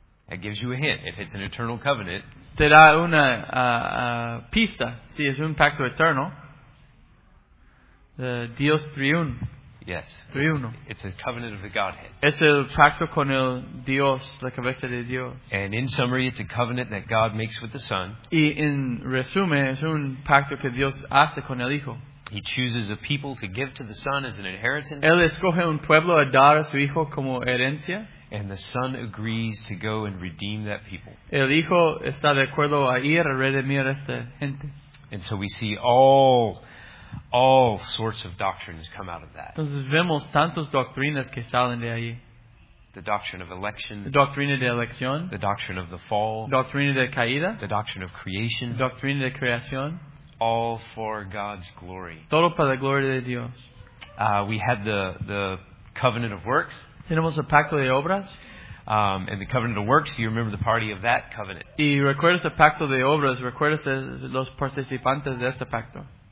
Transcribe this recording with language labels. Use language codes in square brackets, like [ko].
[en] That gives you a hint. If it's an eternal covenant, [es] te da una pista si es un pacto eterno. Dios triuno. [en] Yes. [es] Triuno. [en] It's a covenant of the Godhead. [es] Es el pacto con el Dios, la cabeza de Dios. [en] And in summary, it's a covenant that God makes with the Son. [es] Y en resumen, es un pacto que Dios hace con el Hijo. [en] He chooses a people to give to the Son as an inheritance. [es] Él escoge un pueblo a dar a su Hijo como herencia. [en] And the Son agrees to go and redeem that people. [es] El Hijo está de acuerdo a ir a redimir a esta gente. [en] And so we see all sorts of doctrines come out of that. [es] Entonces vemos tantas doctrinas que salen de ahí. [en] The doctrine of election. [es] La doctrina de elección. [en] The doctrine of the fall. [es] La doctrina de caída. [en] The doctrine of creation. [es] La doctrina de creación. [en] All for God's glory. [es] Todo para la gloria de Dios. [en] We had the covenant of works. [es] Tenemos el pacto de obras. [en] And the covenant of works, you remember the party of that covenant. [es] Y recuerdas el pacto de obras, recuerdas los participantes de este pacto.